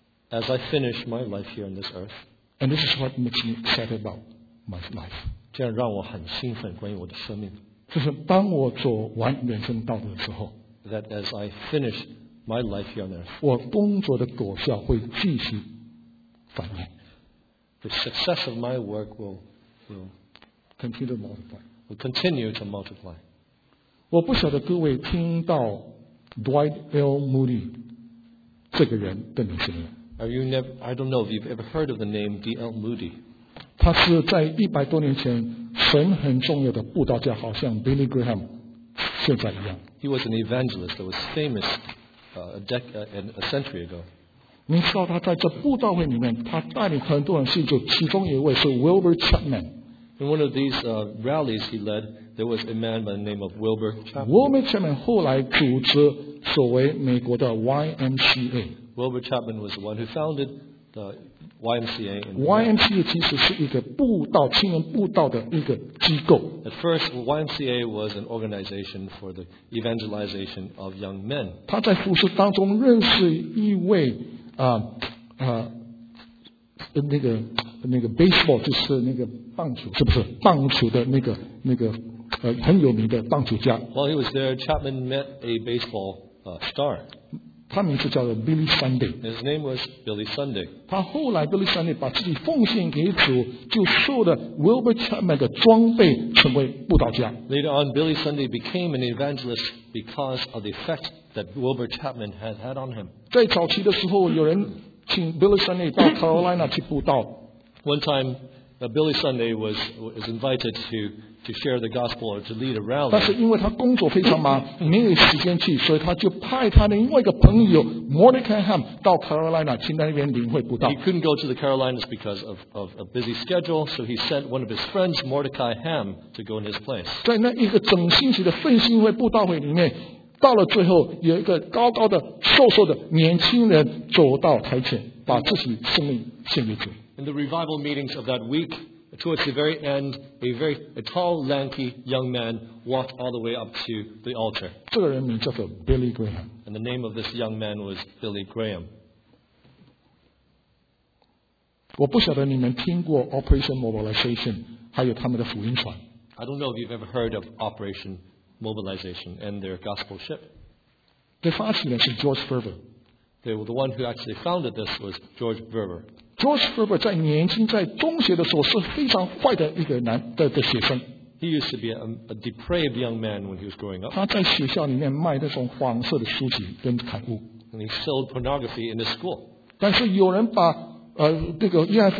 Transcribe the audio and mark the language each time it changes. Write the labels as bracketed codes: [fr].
[en] As I finish my life here on this earth And this is what makes me excited about my life [zh] 这样让我很兴奋关于我的生命就是当我走完人生道路的时候 [en] That as I finish my life here on earth [zh] 我工作的果效会继续繁衍 [en] The success of my work will continue to multiply will continue to multiply [zh] 我不晓得各位听到Dwight L. Moody 这个人的名字 [en] I don't know if you've ever heard of the name D.L. Moody [zh] 他是在一百多年前神很重要的布道家好像 Billy Graham 现在一样 [en] He was an evangelist that was famous a century ago [zh] 你知道他在这布道会里面他带领很多人信主其中一位是 Wilbur Chapman [en] In one of these rallies he ledThere was a man by the name of Wilbur Chapman. [zh] Wilbur Chapman 后来组织所谓美国的 YMCA. [en] Wilbur Chapman was the one who founded the YMCA. [zh] YMCA 其实是一个布道青年布道的一个机构。 [en] At first, YMCA was an organization for the evangelization of young men. [zh] 他在服事当中认识一位baseball 就是那个棒球是不是棒球的那个。很有名的棒球家。 [en] While he was there, Chapman met a baseball star. [zh] 他名字叫做 Billy Sunday. [en] His name was Billy Sunday. [zh] 他后来 Billy Sunday 把自己奉献给主，就受了 Wilbur Chapman 的装备，成为布道家。 [en] Later on, Billy Sunday became an evangelist because of the effect that Wilbur Chapman had on him. [zh] 在早期的时候，有人请 Billy Sunday 到 Carolina 去布道。 [en] One time, Billy Sunday was invited to share the gospel or to lead a rally. [zh] 但是因为他工作非常忙，没有时间去，所以他就派他的另外一个朋友 Mordecai Ham 到 Carolina 去那边领会布道。 [en] He couldn't go to the Carolinas because of a busy schedule, so he sent one of his friends Mordecai Ham to go in his place. [zh] 在那一个整星期的奉信会布道会里面，到了最后，有一个高高的、瘦瘦的年轻人走到台前，把自己生命献给主。 [en] In the revival meetings of that week. towards the very end, a tall, lanky young man walked all the way up to the altar. [zh] 这个人名叫做 Billy Graham. [en] And the name of this young man was Billy Graham. [zh] 我不晓得你们听过 Operation Mobilization, 还有他们的福音船。 [en] I don't know if you've ever heard of Operation Mobilization and their gospel ship. [zh] 这发起人是 George Ferber. [en] The one who actually founded this was George Ferber. [zh] George Ferber 在年轻在中学的时候是非常坏的一个男 的学生。 [en] He used to be a depraved young man when he was growing up. [zh] 他在学校里面卖那种黄色的书籍跟刊物。 [en] And he sold pornography in the school. [zh] 但是有人把那个约翰福音